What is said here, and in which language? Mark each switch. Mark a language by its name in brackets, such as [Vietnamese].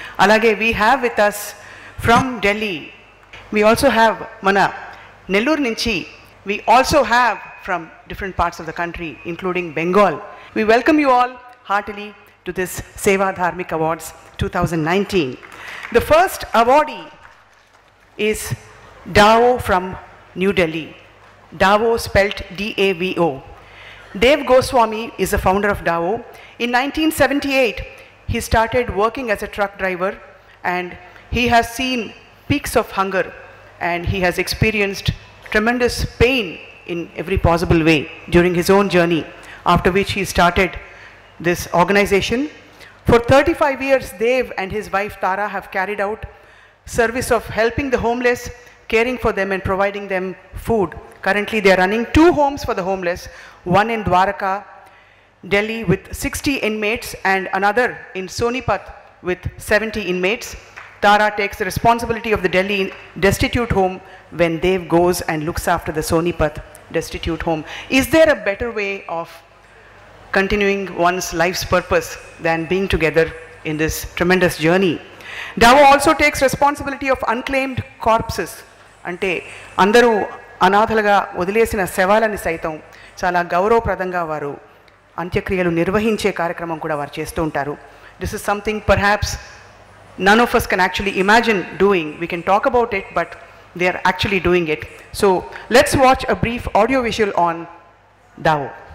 [Telugu] అలాగే [English] we have with us from Delhi, we also have [Telugu] మన నెల్లూరు నుంచి, [English] We also have from different parts of the country including Bengal. We welcome you all heartily to this Seva Dharmik awards 2019. The first awardee is Davo from New Delhi. Davo spelt D-A-V-O. Dev Goswami is the founder of Davo. In 1978, he started working as a truck driver and he has seen peaks of hunger and he has experienced tremendous pain in every possible way during his own journey, after which he started this organization. For 35 years, Dev and his wife Tara have carried out service of helping the homeless, caring for them and providing them food. Currently, they are running two homes for the homeless, one in Dwaraka, Delhi, with 60 inmates, and another in Sonipat with 70 inmates. Tara takes the responsibility of the Delhi destitute home when Dev goes and looks after the Sonipat destitute home. Is there a better way of continuing one's life's purpose than being together in this tremendous journey? Davo also takes responsibility of unclaimed corpses. [Telugu] Ante andaru అనాథలుగా వదిలేసిన శవాలని సైతం చాలా గౌరవప్రదంగా వారు అంత్యక్రియలు నిర్వహించే కార్యక్రమం కూడా వారు చేస్తూ ఉంటారు. [English] This is something perhaps none of us can actually imagine doing. We can talk about it but they are actually doing it. So let's watch a brief audio visual on Davo.